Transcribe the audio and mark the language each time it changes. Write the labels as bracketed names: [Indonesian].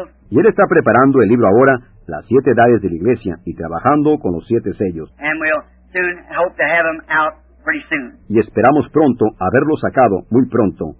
[Spanish] Y él está preparando el libro ahora, Las Siete Edades de la Iglesia, y trabajando con los siete sellos. [English] And we'll soon hope to have him out pretty soon. [Spanish] Y esperamos pronto haberlo sacado, muy pronto.